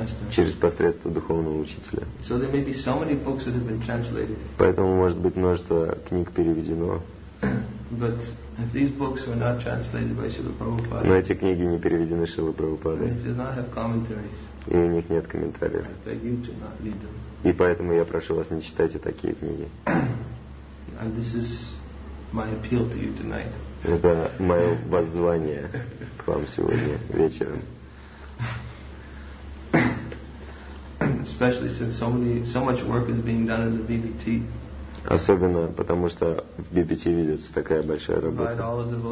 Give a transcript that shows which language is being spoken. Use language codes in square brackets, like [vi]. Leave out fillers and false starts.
[ru] Через посредство духовного учителя. [en] So there may be so many books that have been translated. [ru] Поэтому может быть множество книг переведено. [en] But these books are not translated by Śrīla Prabhupāda. [ru] Но эти книги не переведены Шрилой Прабхупадой. [en] They do not have commentaries. [ru] И у них нет комментариев. [en] I beg you to not read them. [ru] И поэтому я прошу вас, не читайте такие книги. [en] And this is my appeal to you tonight. [ru] Это мое воззвание к вам сегодня вечером. [en] Especially since so much work is being done in the BBT. [ru] Особенно потому, что в BBT ведется такая большая работа.